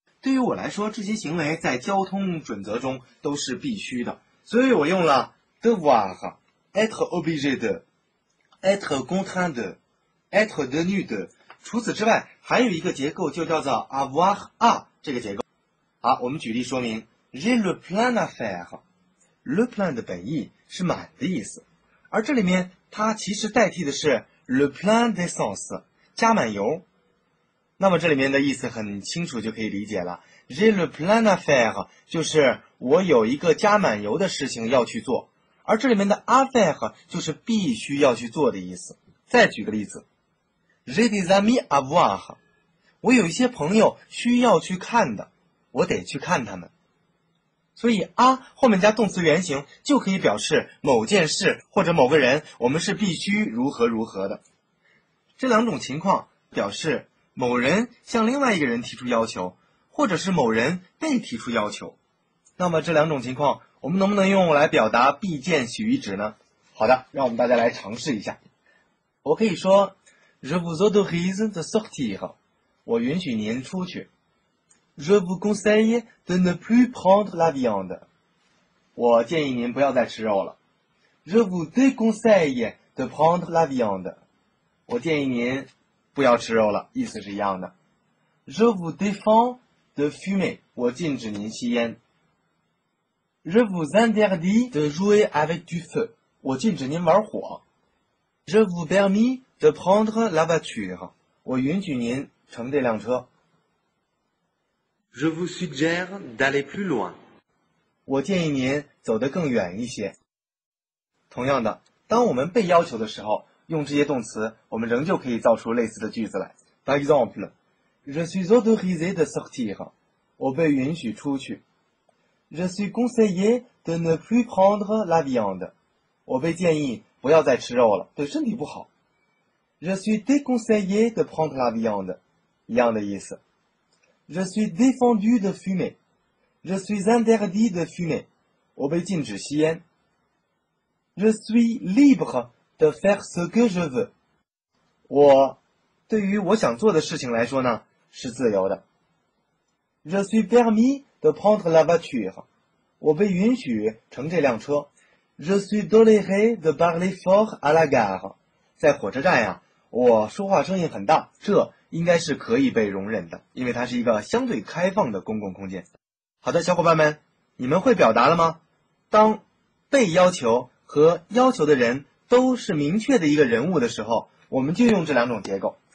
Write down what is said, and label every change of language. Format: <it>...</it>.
<zh>对于我来说，这些行为在交通准则中都是必须的，所以我用了 devoir，</zh> <fr>être obligé de， être contraint de， être devenu de。</fr> <zh>除此之外还有一个结构就叫做 avoir à 这个结构。好，我们举例说明</zh> <fr>j'ai le plan à faire。</fr> <zh>le plan 的本意是满的意思，而这里面它其实代替的是</zh> <fr>le plan d'essence，</fr> <zh>加满油。那么这里面的意思很清楚就可以理解了，</zh> <fr>j'ai le plan à faire</fr> <zh>就是我有一个加满油的事情要去做，而这里面的 à faire 就是必须要去做的意思。再举个例子，</zh> <fr>J'ai des amis à voir，</fr> <zh>我有一些朋友需要去看的，我得去看他们。所以啊后面加动词原形就可以表示某件事或者某个人我们是必须如何如何的。这两种情况表示某人向另外一个人提出要求，或者是某人被提出要求。那么这两种情况我们能不能用来表达必见许意指呢？好的，让我们大家来尝试一下。我可以说</zh> <fr>Je vous autorise de sortir，</fr> <zh>我允许您出去。</zh> <fr>Je vous conseille de ne plus prendre la viande，</fr> <zh>我建议您不要再吃肉了。</zh> <fr>Je vous déconseille de prendre la viande，</fr> <zh>我建议您不要吃肉了，意思是一样的。</zh> <fr>Je vous défends de fumer，</fr> <zh>我禁止您吸烟。</zh> <fr>Je vous interdis de jouer avec du feu，</fr> <zh>我禁止您玩火。</zh> <fr>Je vous permis de prendre la voiture，</fr> <zh>我允许您乘这辆车。</zh> <fr>Je vous suggère d'aller plus loin，</fr> <zh>我建议您走得更远一些。同样的，当我们被要求的时候，用这些动词，我们仍旧可以造出类似的句子来。</zh> <fr>Par exemple， Je suis autorisé de sortir，</fr> <zh>我被允许出去。</zh> <fr>Je suis conseillé de ne plus prendre la viande，</fr> <zh>我被建议不要再吃肉了，对身体不好。</zh> <fr>Je suis déconseillé de prendre la viande，</fr> <zh>一样的意思。</zh> <fr>Je suis défendu de fumer， Je suis interdit de fumer，</fr> <zh>我被禁止吸烟。</zh> <fr>Je suis libre de faire ce que je veux.</fr> <zh>我对于我想做的事情来说呢，是自由的。</zh> <fr>Je suis permis de prendre la voiture.</fr> <zh>我被允许乘这辆车。</zh> <fr>Je suis toléré de parler fort à la gare.</fr> <zh>在火车站呀，我说话声音很大，这应该是可以被容忍的，因为它是一个相对开放的公共空间。好的，小伙伴们，你们会表达了吗？当被要求和要求的人都是明确的一个人物的时候，我们就用这两种结构。</zh>